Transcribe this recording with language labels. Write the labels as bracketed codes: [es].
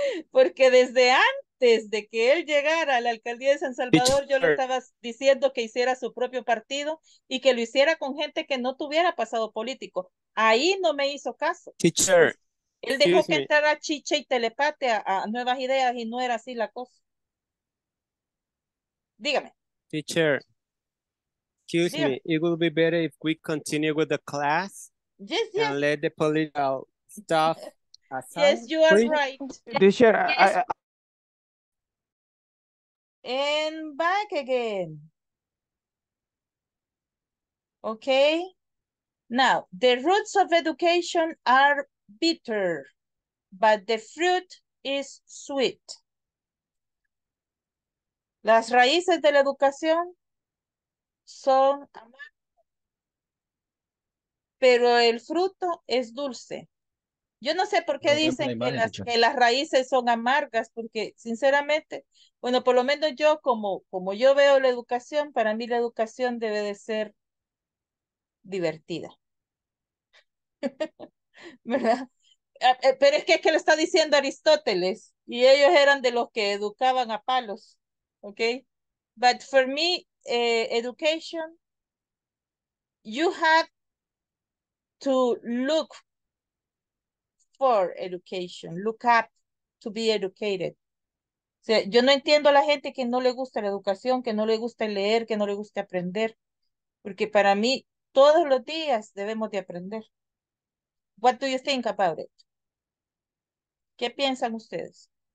[es] Porque desde antes de que él llegara a la alcaldía de San Salvador, yo le estaba diciendo que hiciera su propio partido y que lo hiciera con gente que no tuviera pasado político. Ahí no me hizo caso. [en] Teacher, [es] él dejó que entrara Chiche y Telepate a Nuevas Ideas y no era así la cosa. Dígame. [en] Teacher, excuse me, it would be better if we continue with the class yes. and let the political stuff aside. Yes, you are right. Teacher, And back again. Okay. Now, the roots of education are bitter, but the fruit is sweet. [es] Las raíces de la educación son amargas, pero el fruto es dulce. Yo no sé por qué dicen que las raíces son amargas, porque sinceramente, bueno, por lo menos yo, como yo veo la educación, para mí la educación debe de ser divertida. ¿Verdad? Pero es que lo está diciendo Aristóteles y ellos eran de los que educaban a palos, okay? [en] But for me, education, you have to look for education, look up to be educated. [es] O sea, yo no entiendo a la gente que no le gusta la educación, que no le gusta leer, que no le gusta aprender, porque para mí todos los días debemos de aprender. [en] What do you think about it? [es] ¿Qué piensan ustedes?